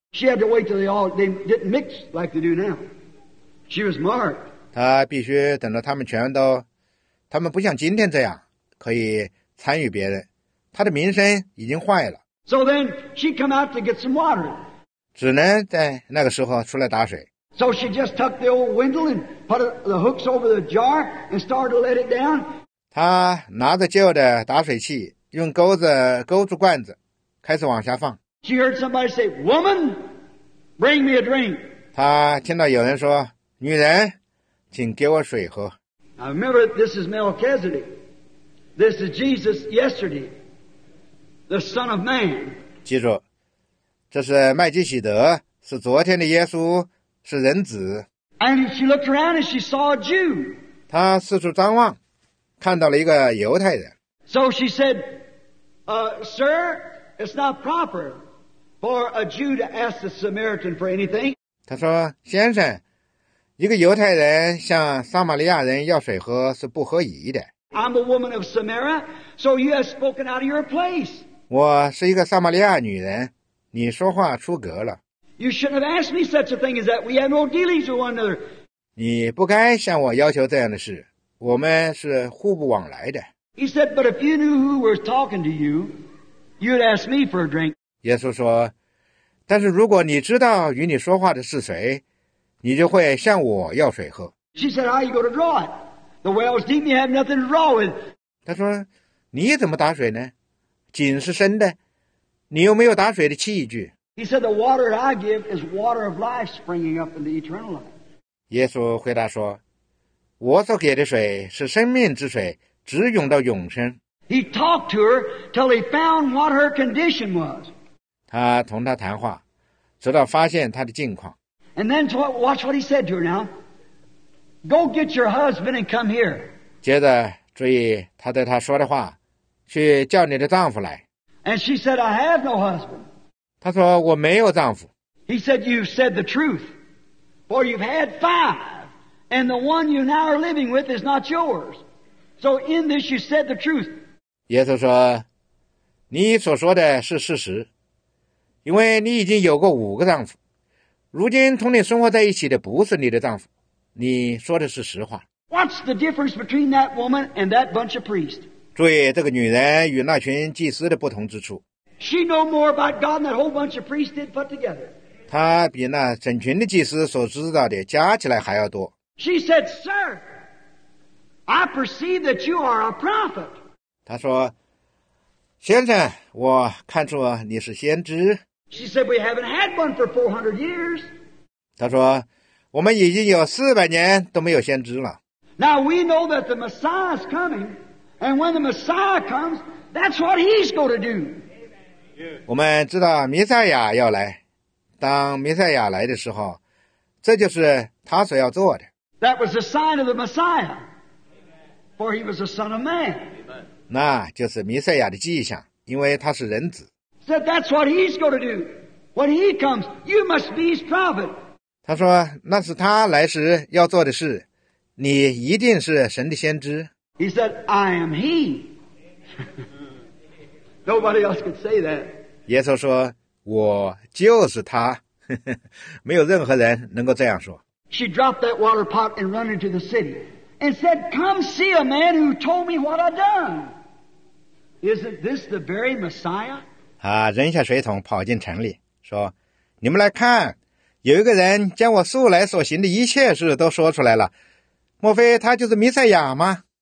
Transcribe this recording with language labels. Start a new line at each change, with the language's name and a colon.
English: She had to wait till they didn't mix like they do now. She was marked.
Chinese: 她必须等到他们不像今天这样可以参与别人，她的名声已经坏了。
English: So then she came out to get some water.
Chinese: 只能在那个时候出来打水。
English: So she just tucked the old windle and put the hooks over the jar and started to let it down.
Chinese: 她拿着旧的打水器，用钩子勾住罐子，开始往下放。
English: She heard somebody say, "Woman, bring me a drink."
Chinese: 她听到有人说，女人，请给我水喝。
English: Now remember, this is Melchizedek. This is Jesus yesterday, the Son of Man.
Chinese: 记住。这是麦基洗德，是昨天的耶稣，是人子。
English: And she looked around and she saw a Jew.
Chinese: 她四处张望，看到了一个犹太人。
English: So she said, "Sir, it's not proper for a Jew to ask the Samaritan for anything."
Chinese: 她说：“先生，一个犹太人向撒玛利亚人要水喝是不合宜的。
English: I'm a woman of Samaria, so you have spoken out of your place."
Chinese: 我是一个撒玛利亚女人。你说话出格了。
English: You shouldn't have asked me such a thing as that. We have no dealings with one another.
Chinese: 你不该向我要求这样的事。我们是互不往来的。
English: He said, "But if you knew who was talking to you, you'd ask me for a drink."
Chinese: 耶稣说，但是如果你知道与你说话的是谁，你就会向我要水喝。
English: She said, "How are you going to draw it? The well's deep. You have nothing to draw with."
Chinese: 他说，你怎么打水呢？井是深的。你又没有打水的器具。
English: He said, "The water that I give is water of life, springing up into eternal life."
Chinese: 耶稣回答说，我所给的水是生命之水，直涌到永生。
English: He talked to her till he found what her condition was.
Chinese: 他同她谈话，直到发现她的境况。
English: And then watch what he said to her now. "Go get your husband and come here."
Chinese: 接着注意他对她说的话，去叫你的丈夫来。
English: And she said, "I have no husband."
Chinese: 她说我没有丈夫。
English: He said, "You've said the truth, for you've had five, and the one you now are living with is not yours. So in this you said the truth."
Chinese: 耶稣说，你所说的是事实，因为你已经有过五个丈夫，如今同你生活在一起的不是你的丈夫，你说的是实话。
English: What's the difference between that woman and that bunch of priests?
Chinese: 注意这个女人与那群祭司的不同之处。
English: She know more about God than that whole bunch of priests did put together.
Chinese: 她比那整群的祭司所知道的加起来还要多。
English: She said, "Sir, I perceive that you are a prophet."
Chinese: 她说，先生，我看出你是先知。
English: She said, "We haven't had one for 400 years."
Chinese: 她说，我们已经有400年都没有先知了。
English: Now we know that the Messiah is coming. And when the Messiah comes, that's what he's going to do.
Chinese: 我们知道弥赛亚要来，当弥赛亚来的时候，这就是他所要做的。
English: That was the sign of the Messiah. For he was a son of man.
Chinese: 那就是弥赛亚的迹象，因为他是人子。
English: Said that's what he's going to do. When he comes, you must be his prophet.
Chinese: 他说那是他来时要做的事，你一定是神的先知。
English: He said, I am he. Nobody else could say that.
Chinese: 耶稣说我就是他，没有任何人能够这样说。
English: She dropped that water pot and ran into the city and said, come see a man who told me what I've done. Isn't this the very Messiah?
Chinese: 啊，扔下水桶跑进城里说，你们来看，有一个人将我素来所行的一切事都说出来了，莫非他就是弥赛亚吗？